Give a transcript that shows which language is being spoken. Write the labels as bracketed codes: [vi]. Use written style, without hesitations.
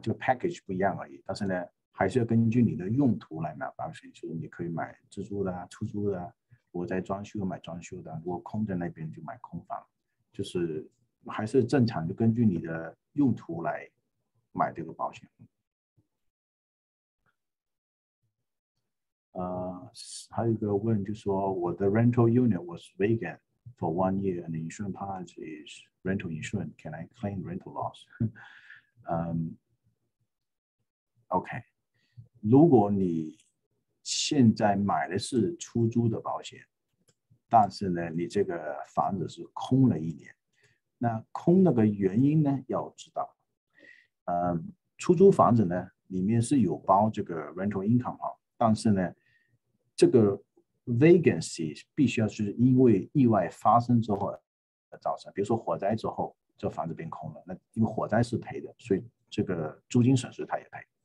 [zh] 就 package 不一样而已，但是呢还是要根据你的用途来买保险。就是你可以买自住的、出租的，如果在装修买装修的，如果空在那边就买空房，就是还是正常就根据你的用途来买这个保险。还有一个问就是说，我的 [en] rental unit was vacant for 1 year and the insurance policy is rental insurance, can I claim rental loss? [zh] OK， 如果你现在买的是出租的保险，但是呢你这个房子是空了一年，那空那个原因呢要知道。出租房子呢里面是有包这个 rental income， 但是呢这个 vacancy 必须要是因为意外发生之后造成，比如说火灾之后这房子变空了，那因为火灾是赔的，所以这个租金损失他也赔。